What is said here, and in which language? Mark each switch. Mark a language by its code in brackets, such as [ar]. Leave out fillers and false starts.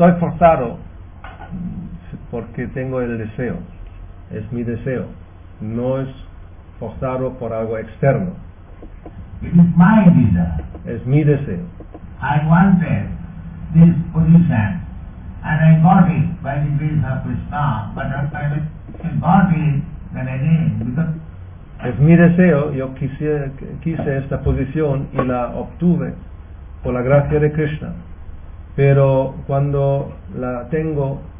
[es] Estoy forzado porque tengo el deseo, es mi deseo, no es forzado por algo externo. [en] It is my desire. [es] Es mi deseo. [en] I wanted this position and I got it by the grace of Krishna, but after I got it, then again, because [es] es mi deseo, yo quise esta posición y la obtuve por la gracia de Krishna. Pero cuando la tengo